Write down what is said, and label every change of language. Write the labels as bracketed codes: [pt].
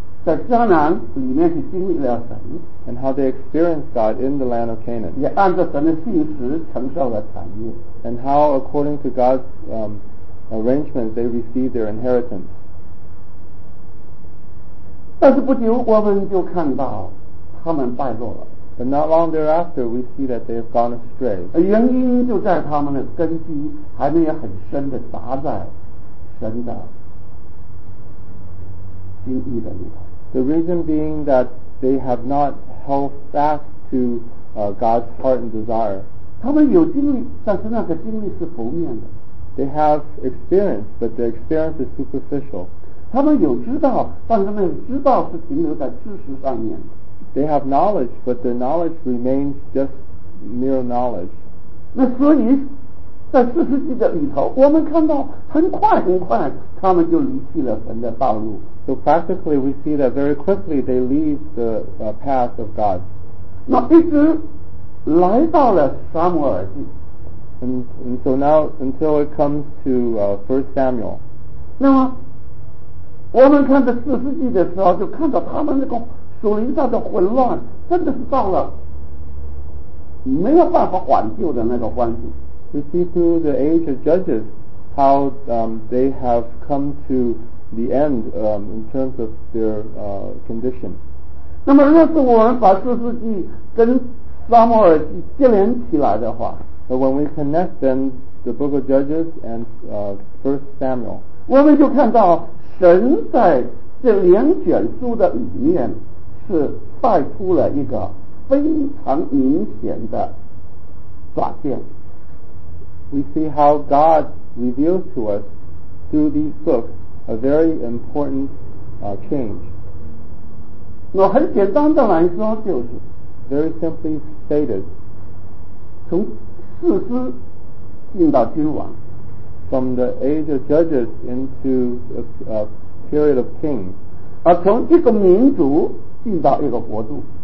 [zh] 在迦南里面是经历了神。 [en] And how they experienced God in the land of Canaan. [zh] 也按照神的信实承受了产业。 [en] And how according to God's arrangements they received their inheritance. [zh] 但是不久我们就看到他们败落了。 [en] But not long thereafter, we see that they have gone astray. [zh] 原因就在他们的根基还没有很深地扎在神的心意的里头。 [en] The reason being that they have not held fast to God's heart and desire. [zh] 他们有经历，但是那个经历是浮面的。 [en] They have experience, but the experience is superficial. [zh] 他们有知道，但是那个知道是停留在知识上面的。 [en] They have knowledge, but their knowledge remains just mere knowledge. [zh] 那所以在四世纪的里头，我们看到很快很快，他们就离弃了神的道路。 [en] So practically, we see that very quickly they leave the path of God. [zh] 那一直来到了撒母耳记。 [en] And so now, until it comes to First Samuel. [zh] 那么我们看到四世纪的时候，就看到他们那个。属灵上的混乱真的是到了没有办法挽救的那个关系。 [en] We see through the age of judges how they have come to the end in terms of their condition. [zh] 那么若是我们把四世纪跟撒母耳记接连起来的话， [en] But when we connect then the book of Judges and First Samuel, [zh] 我们就看到神在这两卷书的里面是带出了一个非常明显的转变。 [en] We see how God reveals to us through these books a very important change. [zh] 那很简单的来说就是 [en] very simply stated, [zh] 从士师进到君王 [en] from the age of judges into a period of kings, [zh] 而从一个民族进到一个国度